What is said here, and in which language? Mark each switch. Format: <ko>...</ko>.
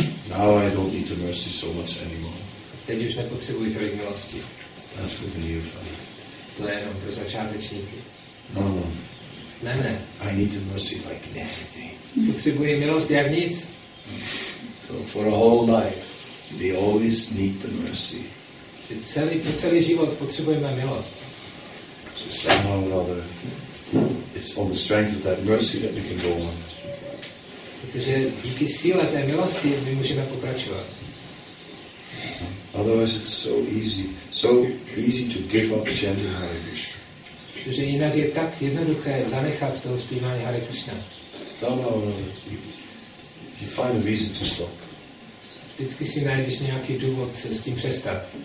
<en>Now I don't need the mercy so much anymore.</en> <cs>Teď už nepotřebuji tolik milosti.</cs> <en>That's for the neophytes.</en> <cs>To je jenom pro začátečníky.</cs> <en>No, no.</en> <cs>Ne, ne.</cs> <en>I need the mercy like nothing.</en> <cs>Potřebuji milost jak nic.</cs> <en>So for a whole life, we always need the mercy.</en> <cs>Po celý život potřebujeme milost.</cs> <en>somehow or other, it's on the strength of that mercy that we can go on.</en> <cs>Protože díky síle té milosti my můžeme pokračovat.</cs> <en>Otherwise it's so easy to give up chanting Hare Krishna.</en> <cs>Protože jinak je tak jednoduché zanechat toho zpívání Hare Krishna.</cs> <en>Somehow or other, you find a reason to stop.</en> <cs>Vždycky si najdeš nějaký důvod s tím přestat.</cs>